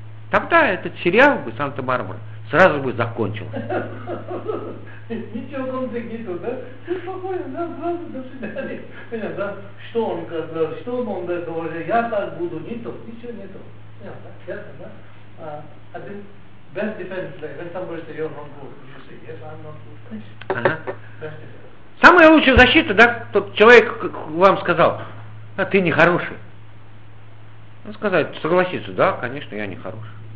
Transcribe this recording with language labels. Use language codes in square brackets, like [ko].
[ru] Тогда этот сериал бы «Санта-Барбара» сразу бы закончился. Ничего конфликтного, да? Ты спокойно, да, сразу, до свидания. Да? Что он сказал, что он говорил, я так буду, нету, ничего нету. Понятно, да? [en] Best defense, like, when somebody says, you're not good, you say, yes, I'm not good. [ru] Ага. Самая лучшая защита, да, тот человек вам сказал, а ты не хороший. Он сказал, согласится, да, конечно, я не хороший.